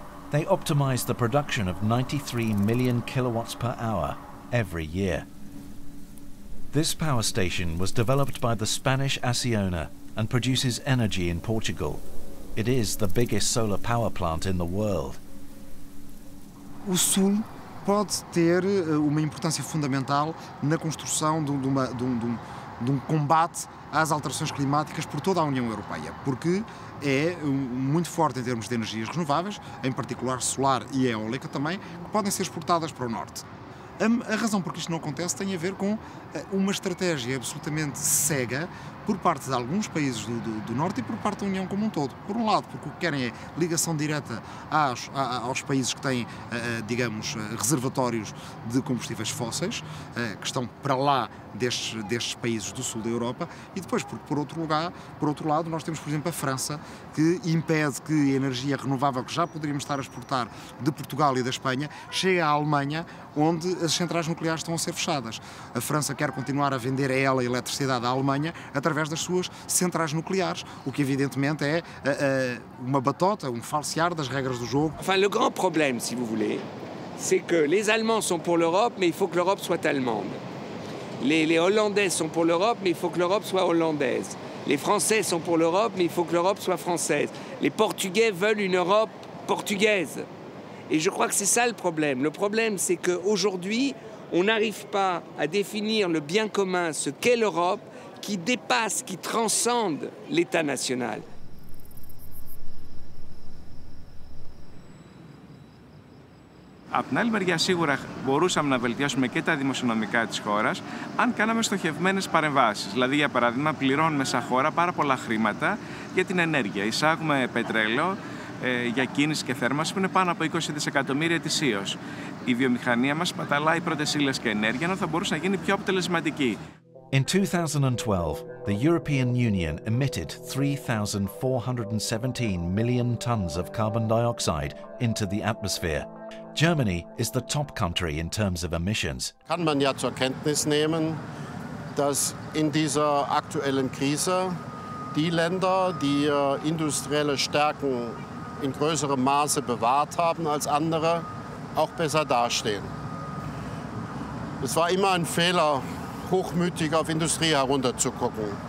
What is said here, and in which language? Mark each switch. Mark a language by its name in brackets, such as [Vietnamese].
[English] They optimize the production of 93 million kilowatts per hour every year. This power station was developed by the Spanish Acciona and produces energy in Portugal. It is the biggest solar power plant in the world. [Portuguese] O sul pode ter uma importância fundamental na construção de um combate às alterações climáticas por toda a União Europeia, porque é muito forte em termos de energias renováveis, em particular solar e eólica também, que podem ser exportadas para o Norte. A razão por que isto não acontece tem a ver com uma estratégia absolutamente cega por parte de alguns países do Norte e por parte da União como um todo. Por um lado, porque o que querem é ligação direta aos países que têm, digamos, reservatórios de combustíveis fósseis, que estão para lá destes países do sul da Europa, e depois, porque por outro lado, nós temos, por exemplo, a França, que impede que a energia renovável que já poderíamos estar a exportar de Portugal e da Espanha chegue à Alemanha, onde as centrais nucleares estão a ser fechadas. A França quer continuar a vender a ela a eletricidade à Alemanha através das suas centrais nucleares, o que evidentemente é uma batota, um falsear das regras do jogo. [French] Enfin, le grand problème, si vous voulez, c'est que les Allemands sont pour l'Europe, mais il faut que l'Europe soit allemande. Les Hollandais sont pour l'Europe, mais il faut que l'Europe soit hollandaise. Les Français sont pour l'Europe, mais il faut que l'Europe soit française. Les Portugais veulent une Europe portugaise. Et je crois que c'est ça le problème. Le problème, c'est qu'aujourd'hui, on n'arrive pas à définir le bien commun, ce qu'est l'Europe, qui dépasse, qui transcende l'État national. [Greek] Από την άλλη μεριά, σίγουρα μπορούσαμε να βελτιώσουμε και τα δημοσιονομικά της χώρας, αν κάναμε στοχευμένες παρεμβάσεις. Δηλαδή, για παράδειγμα, πληρώνουμε σαν χώρα πάρα πολλά χρήματα για την ενέργεια. Εισάγουμε πετρέλαιο, για κίνηση και θέρμανση που είναι πάνω από 20 δισεκατομμύρια ετησίως. Η βιομηχανία μας σπαταλάει πρώτες ύλες και ενέργεια, ενώ θα μπορούσε να γίνει πιο αποτελεσματική. [English] In 2012, the European Union emitted 3,417 million tons of carbon dioxide into the atmosphere. Germany is the top country in terms of emissions. [German] Kann man ja zur Kenntnis nehmen, dass in dieser aktuellen Krise die Länder, die industrielle Stärken in größerem Maße bewahrt haben als andere, auch besser dastehen. Es war immer ein Fehler, hochmütig auf Industrie herunterzugucken.